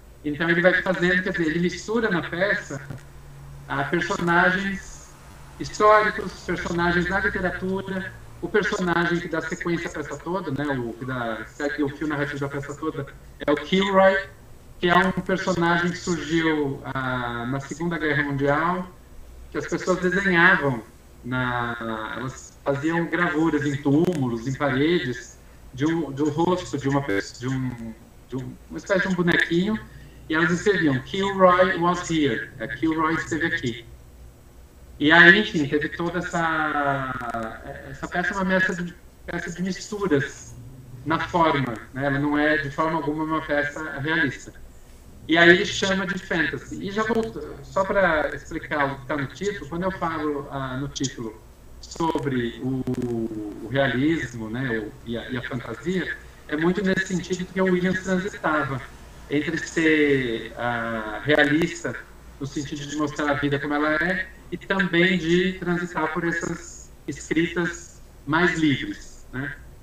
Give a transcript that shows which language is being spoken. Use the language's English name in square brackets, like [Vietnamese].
[Portuguese] Então ele vai fazendo, quer dizer, ele mistura na peça personagens históricos, personagens da literatura, o personagem que dá sequência à peça toda, né, o fio narrativo da peça toda, é o Kilroy, que é um personagem que surgiu na Segunda Guerra Mundial, que as pessoas desenhavam, elas faziam gravuras em túmulos, em paredes, de um rosto de uma pessoa, uma espécie de um bonequinho. E elas escreviam, [English] Kilroy was here. [Portuguese] Kilroy esteve aqui. E aí, enfim, teve toda essa peça é uma peça de misturas na forma, né? Ela não é, de forma alguma, uma peça realista. E aí ele chama de fantasy. E já volto, só para explicar o que está no título, quando eu falo no título sobre o realismo, né, e a fantasia, é muito nesse sentido que o Williams transitava entre ser realista, no sentido de mostrar a vida como ela é, e também de transitar por essas escritas mais livres, né?